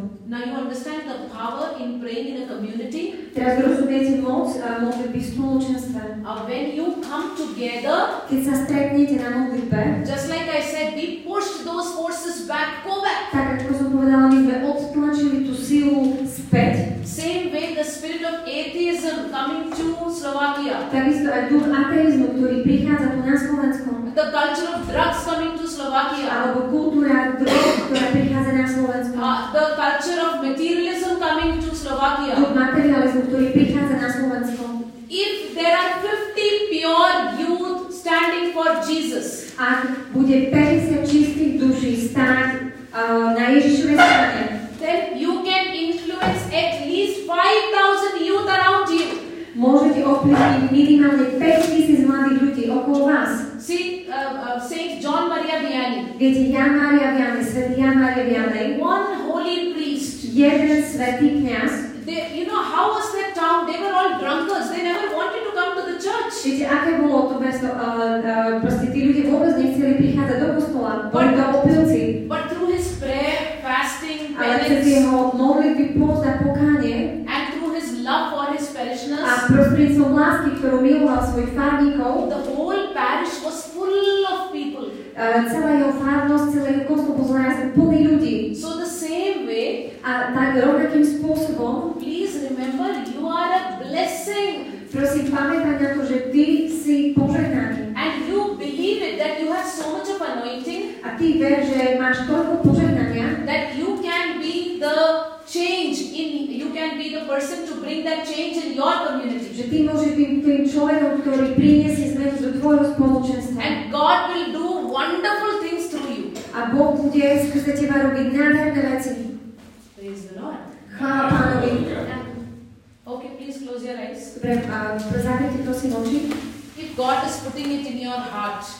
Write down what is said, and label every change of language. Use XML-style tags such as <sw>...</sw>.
<en>Now you understand the power in praying in a community.</en> <sk>Teraz rozumiete moc a modlitby v spoločenstve.</sk> <en>When you come together,</en> <sk>keď sa stretnete na modlitbe,</sk> <en>just like I said, we pushed those forces back, go back.</en> <sk>Tak ako som povedala, my sme odtlačili tú silu späť.</sk> <en>Same way the spirit of atheism coming to Slovakia.</en> <sk>Takisto aj duch ateizmu, ktorý prichádza tu na Slovensku.</sk> <en>The culture of drugs coming to Slovakia.</en> <sk>Alebo kultúra drog, ktorá prichádza na Slovensku.</sk> <en>The culture of materialism coming to Slovakia.</en> <sk>Duch materializmu, ktorý prichádza na Slovensku.</sk> <en>If there are 50 pure youth standing for Jesus.</en> <sk>Ak bude 50 čistých duší stáť na Ježišovej strane.</sk> <en>Then you can influence at least 5,000 youth around you.</en> <sk>Môžete ovplyvniť minimálne 5,000 mladých ľudí okolo vás.</sk> <en>See, Saint John Maria Vianney.</en> <sk>Viete, Jan Maria Vianney, svätý Jan Maria Vianney.</sk> <en>One holy priest.</en> <sk>Jeden svätý kňaz.</sk> <en>You know, how was that town? They were all drunkards. They never wanted to come to the church.</en> <sk>Viete, aké bolo to mesto? Proste tí ľudia vôbec nechceli prichádzať do kostola. Boli to opilci.</sk> <en>But through his prayer, fasting, penance.</en> <sk>Ale cez jeho modlitby, post a pokánie.</sk> <en>And through his love for his parishioners.</en> <sk>A prostredníctvom lásky, ktorú miloval svojich farníkov.</sk> <en>The whole parish was full of people.</en> <sk>Celá jeho farnosť, celé jeho kostol bol zrazu plný ľudí.</sk> <en>So the same way.</en> <sk>A tak rovnakým spôsobom.</sk> <en>Please remember, you are a blessing.</en> <sk>Prosím, pamätaj na to, že ty si požehnaný.</sk> <en>And you believe it, that you have so much of anointing.</en> <sk>A ty ver, že máš toľko požehnania.</sk> <en>That you can be the change in, you can be the person to bring that change in your community.</en> <sk>Že ty môžeš byť tým človekom, ktorý priniesie zmenu do tvojho spoločenstva.</sk> <en>And God will do wonderful things through you.</en> <sk>A Boh bude skrze teba robiť nádherné veci.</sk> <en>Praise the Lord.</en> <sk>Chvála Pánovi.</sk> <en>Okay, please close your eyes.</en> <sk>Dobre, zavrite prosím oči.</sk> <en>If God is putting it in your heart.</en>